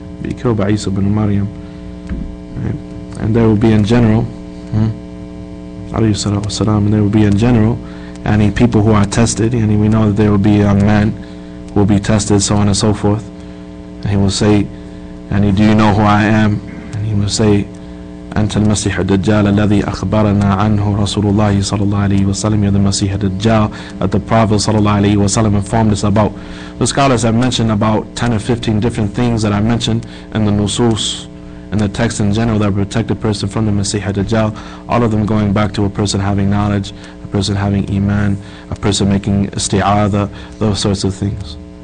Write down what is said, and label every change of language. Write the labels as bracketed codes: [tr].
[en] Be killed by Isa ibn Maryam, right? And there will be in general, alayhi salatu wa salam, and there will be in general, any people who are tested. And we know that there will be a young man who will be tested, so on and so forth. And he will say, "Any, do you know who I am?" And he will say, [ar] أنت المسيح الدجال الذي أخبرنا عنه رسول الله صلى الله عليه وسلم. [en] You're the Masih al-Dajjal that the Prophet [ar] صلى الله عليه وسلم [en] informed us about. The scholars have mentioned about 10 or 15 different things that I mentioned in the Nusus, in the text in general, that protect a person from the Masih al-Dajjal. All of them going back to a person having knowledge, a person having iman, a person making isti'adha, those sorts of things.